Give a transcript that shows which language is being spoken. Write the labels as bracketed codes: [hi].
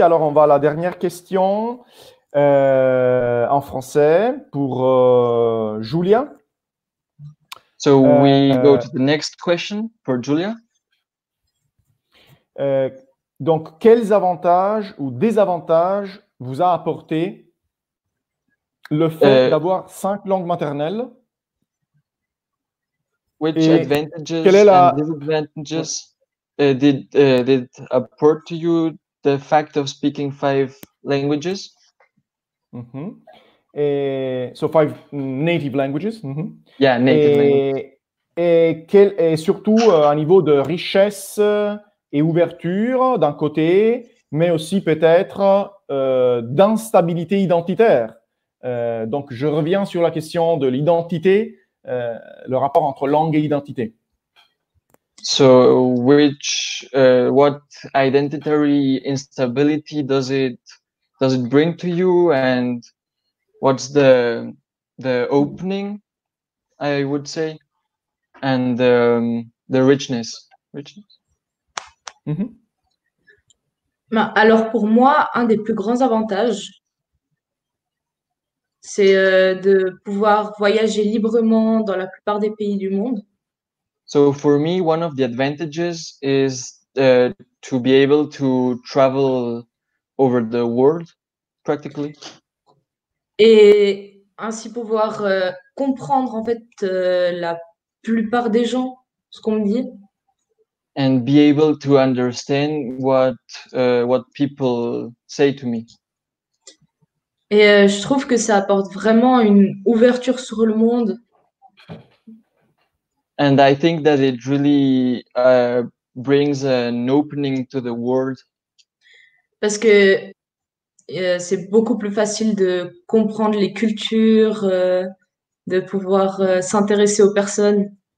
[fr] Alors, on va à la dernière question en français pour Julia. [en] So, we go to the next question for Julia. [fr] Donc, quels avantages ou désavantages vous a apporté le fait d'avoir cinq langues maternelles. [en] Which [fr] et advantages quelle est la... [en] and disadvantages did apport to you the fact of speaking five languages? Mm-hmm. So five native languages. Mm-hmm. Yeah, native languages. [fr] Et quel est surtout un niveau de richesse et ouverture d'un côté, mais aussi peut-être d'instabilité identitaire. Donc, je reviens sur la question de l'identité, le rapport entre langue et identité. [en] So, which, what identitary instability does it bring to you, and what's the opening, I would say, and the richness. Richness. Mm-hmm. [fr] Bah, alors pour moi, un des plus grands avantages, c'est de pouvoir voyager librement dans la plupart des pays du monde. [en] So for me, one of the advantages is to be able to travel over the world, practically. [fr] Et ainsi pouvoir comprendre en fait la plupart des gens, ce qu'on me dit. [en] And be able to understand what people say to me. [fr] Et je trouve que ça apporte vraiment une ouverture sur le monde. [en] And I think that it really brings an opening to the world. [fr] Parce que c'est beaucoup plus facile de comprendre les cultures, de pouvoir s'intéresser aux personnes.